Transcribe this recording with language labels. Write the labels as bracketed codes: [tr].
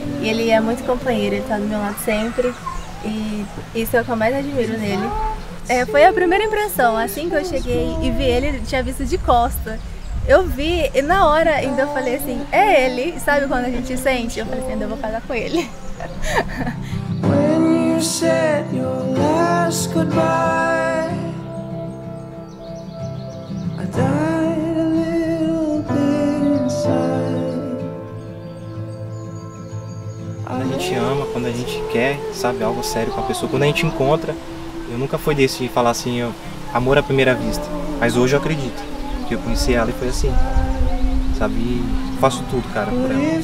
[pt] E ele é muito companheiro, ele tá do meu lado sempre. E isso é o que eu mais admiro nele. É, foi a primeira impressão, assim que eu cheguei e vi ele, tinha visto de costa. Eu vi, e na hora ainda eu falei assim, é ele, sabe quando a gente sente? Eu falei assim, eu vou casar com ele. [en] When you said your last goodbye, I died a little bit inside. [pt] A gente ama quando a gente quer, sabe, algo sério com a pessoa. Quando a gente encontra, eu nunca fui desse de falar assim, amor à primeira vista. Mas hoje eu acredito. Que eu conheci ela e foi assim, sabe, faço tudo, cara, por ela.